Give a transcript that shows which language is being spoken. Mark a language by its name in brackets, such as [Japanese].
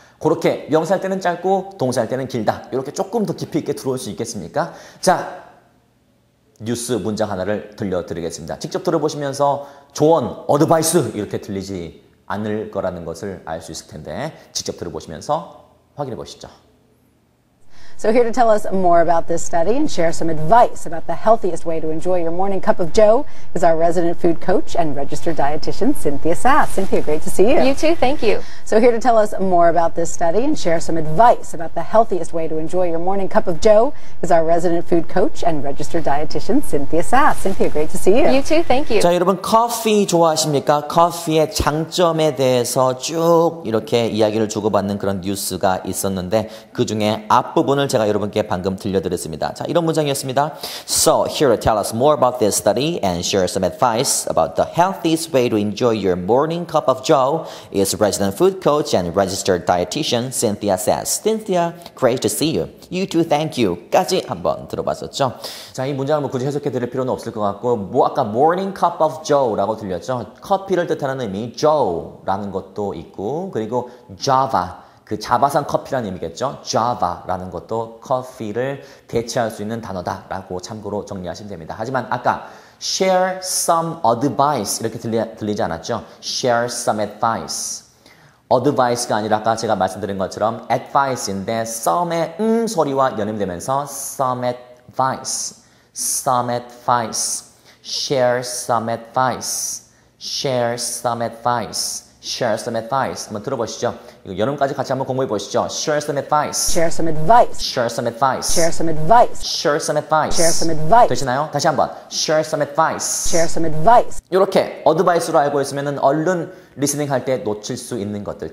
[Korean] 그렇게 명사할 때는 짧고 동사할 때는 길다. 이렇게 조금 더 깊이 있게 들어올 수 있겠습니까? 자, 뉴스 문장 하나를 들려드리겠습니다. 직접 들어보시면서 조언, 어드바이스 이렇게 들리지 않을 거라는 것을 알 수 있을 텐데 직접 들어보시면서 확인해 보시죠. [English] So here to tell us more about this study and share some advice about the healthiest way to enjoy your morning cup of joe is our resident food coach and registered dietitian, Cynthia Sass. Cynthia, great to see you. You too, thank you. So here to tell us more about this study and share some advice about the healthiest way to enjoy your morning cup of joe is our resident food coach and registered dietitian, Cynthia Sass. Cynthia, great to see you. You too, thank you. [Korean] 자, 여러분, 커피 좋아하십니까? 커피의 장점에 대해서 쭉 이렇게 이야기를 주고받는 그런 뉴스가 있었는데 그 중에 앞부분을 제가 여러분께 방금 들려드렸습니다. 자, 이런 문장이었습니다. [English] So here to tell us more about this study and share some advice about the healthiest way to enjoy your morning cup of joe is resident food coach and registered dietitian Cynthia Sass. Cynthia, great to see you. You too, thank you. [Korean] 까지 한번 들어봤었죠. 자, 이 문장을 뭐 굳이 해석해 드릴 필요는 없을 것 같고 뭐 아까 morning cup of joe라고 들렸죠. 커피를 뜻하는 의미 joe라는 것도 있고 그리고 java 그 자바산 커피라는 의미겠죠. Java라는 것도 커피를 대체할 수 있는 단어다라고 참고로 정리하시면 됩니다. 하지만 아까 share some advice 이렇게 들리지 않았죠? [English] Share some advice. [Korean] Advice가 아니라 아까 제가 말씀드린 것처럼 advice인데 some의 소리와 연음되면서 [English] some advice, some advice, share some advice, [Korean] share some advice. [English] share some advice. [Korean] 한번 들어보시죠. 이거 여름까지 같이 한번 공부해 보시죠. [English] Share some advice. Share some advice. Share some advice. Share some advice. Share some advice. Share some advice. [Korean] 되시나요? 다시 한번. [English] Share some advice. Share some advice. [Korean] 이렇게 어드바이스로 알고 있으면은 얼른 리스닝 할 때 놓칠 수 있는 것들.